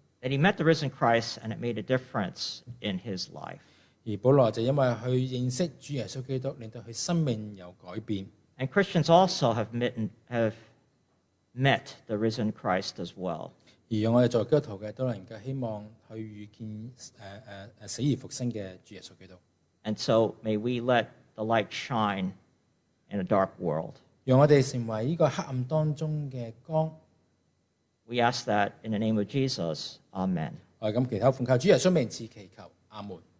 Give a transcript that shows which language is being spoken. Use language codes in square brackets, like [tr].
[en] That he met the risen Christ and it made a difference in his life. [yue] 而保罗就因为去认识主耶稣基督，令到佢生命有改变。 [en] And Christians also have met the risen Christ as well. [yue] 而我哋作为基督徒嘅都能够希望。去遇见死而复生嘅主耶稣基督。 [en] And so may we let the light shine in a dark world. [yue] 让我哋成为呢个黑暗当中嘅光。 [en] We ask that in the name of Jesus. Amen. [yue] 我咁祈祷奉靠主耶稣名字祈求，阿门。